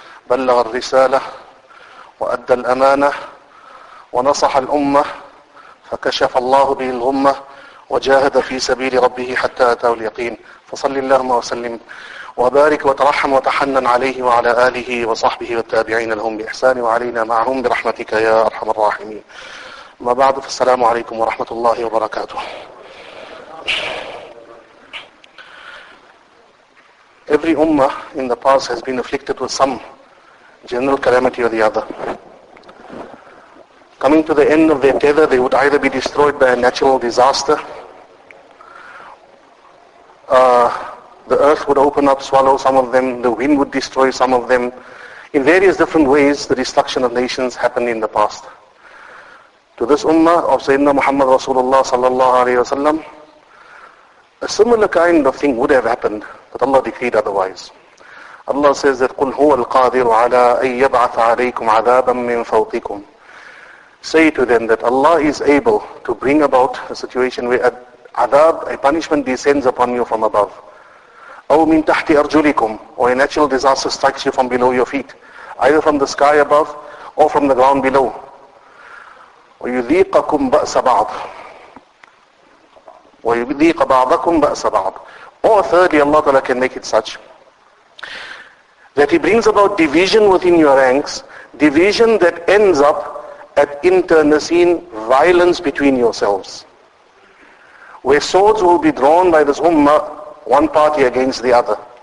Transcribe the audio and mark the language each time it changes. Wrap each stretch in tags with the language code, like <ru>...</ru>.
<ar>بلغ الرسالة وأدى الأمانة ونصح الأمة فكشف الله به الغمة وجاهد في سبيل ربه حتى أتاه اليقين فصل اللهم وسلم وبارك وترحم وتحنن عليه وعلى آله وصحبه والتابعين لهم بإحسان وعلينا معهم برحمتك يا أرحم الراحمين ما بعد فالسلام عليكم ورحمة الله وبركاته</ar> <en>Every ummah in the past has been afflicted with some general calamity or the other. Coming to the end of their tether, they would either be destroyed by a natural disaster, the earth would open up, swallow some of them, the wind would destroy some of them. In various different ways, the destruction of nations happened in the past. To this ummah of Sayyidina Muhammad Rasulullah sallallahu alayhi wa sallam, a similar kind of thing would have happened, but Allah decreed otherwise. Allah says that,</en> <ar>قُلْ هُوَ الْقَادِرُ عَلَىٰ أَن يَبْعَثَ عَلَيْكُمْ عَذَابًا مِّن فَوْقِكُمْ.</ar> <en>Say to them that Allah is able to bring about a situation where Adab, a punishment descends upon you from above.</en> <ar>أو من تحت أرجلكم,</ar> <en>or a natural disaster strikes you from below your feet, either from the sky above or from the ground below.</en> <ar>ويذيقكم بأس بعض ويذيق بعضكم بأس بعض.</ar> <en>Or thirdly, Allah Ta'ala can make it such that He brings about division within your ranks, division that ends up at internecine violence between yourselves, where swords will be drawn by this ummah, one party against the other.</en>